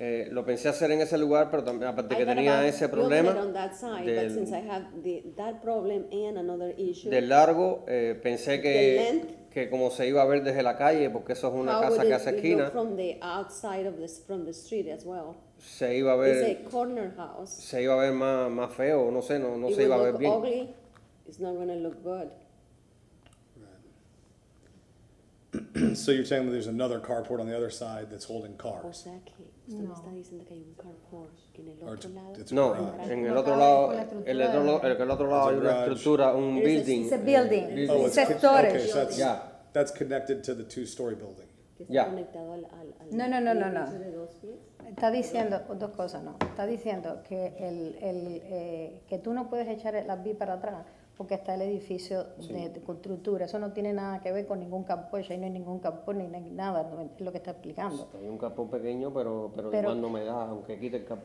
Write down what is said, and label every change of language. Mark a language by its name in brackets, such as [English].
[Spanish] Lo pensé hacer en ese lugar, pero también aparte que tenía ese problema. [English] I thought about building it on that side, but since I have that problem and another issue. [Spanish] Del largo, pensé que como se iba a ver desde la calle, porque eso es una casa que hace esquina. [English] How would it look from the outside of this, from the street as well? [Spanish] Se iba a ver. [English] It's a corner house. [Spanish] Se iba a ver más feo, no sé, no se iba a ver bien. [English] It would look ugly. It's not going to look good. So you're saying that there's another carport on the other side that's holding cars? [Spanish] O sea que usted me está diciendo que hay un carport en el otro lado. No, en el otro lado, el otro lado hay una estructura, un building. [English] It's a building. It's a storage. Okay, so that's connected to the two-story building. Yeah. [Spanish] No. Está diciendo dos cosas, no. Está diciendo que que tú no puedes echar el RV para atrás porque está el edificio de estructura. Eso no tiene nada que ver con ningún campo. Ya no hay ningún campo ni nada. No es lo que está explicando. Hay un campo pequeño, pero igual no me da, aunque quite el campo.